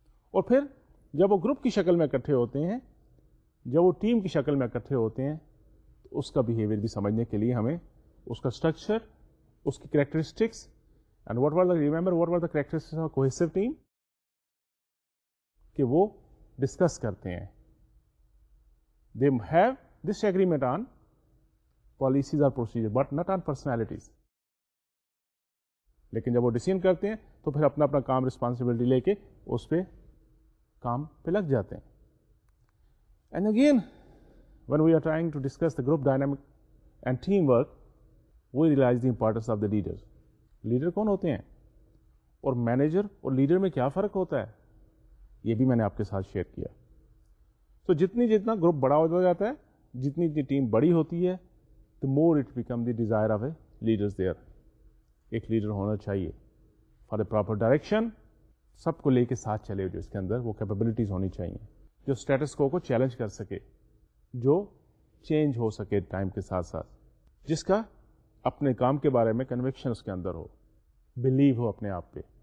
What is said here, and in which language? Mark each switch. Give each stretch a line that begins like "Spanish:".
Urdu: اور پھر جب وہ گروپ کی شکل میں اکٹھے ہوتے ہیں, جب وہ ٹیم کی شکل میں اکٹھے ہوتے ہیں, تو اس کا بیہیویئر بھی سمجھنے کے لیے ہمیں اس کا سٹرکچر, اس کی characteristics,
English: and what are the characteristics of cohesive team,
Urdu: کہ وہ ڈسکس کرتے ہیں,
English: They have this agreement on policies اور procedure but not on personalities.
Urdu: لیکن جب وہ ڈیسیژن کرتے ہیں, تو پھر اپنا اپنا کام رسپانسبلٹی لے کے اس پہ کام پہ لگ جاتے ہیں.
English: And again when we are trying to discuss the group dynamic and team work, we realize the importance of the leaders.
Urdu: Leader کون ہوتے ہیں, اور مینیجر اور لیڈر میں کیا فرق ہوتا ہے, یہ بھی میں نے آپ کے ساتھ شیئر کیا. تو جتنا گروپ بڑا ہوتا جاتا ہے, جتنی اتنی ٹیم بڑی ہوتی ہے,
English: The more it become the desire of a leaders there.
Urdu: ایک لیڈر ہونا چاہیے
English: for a proper direction,
Urdu: سب کو لے کے ساتھ چلے, جو اس کے اندر وہ کیپیبلٹیز ہونی چاہیے, جو اسٹیٹس کو چیلنج کر سکے, جو چینج ہو سکے ٹائم کے ساتھ ساتھ, جس کا اپنے کام کے بارے میں کنوکشن اس کے اندر ہو, بلیو ہو اپنے آپ پہ.